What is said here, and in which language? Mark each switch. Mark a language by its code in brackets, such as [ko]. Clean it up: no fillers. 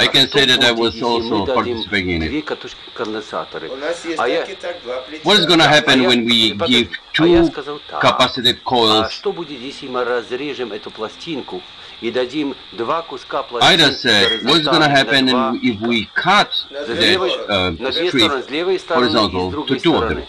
[en] I can say that I was also participating in it. [ru] У нас есть так и так два плеча. [en] What is going to happen when we give two capacitive coils? [ru] Что будет, если мы разрежем эту пластинку и дадим два куска пластинки? [en] Ida said, what is going to happen if we cut the strip horizontal to two of them?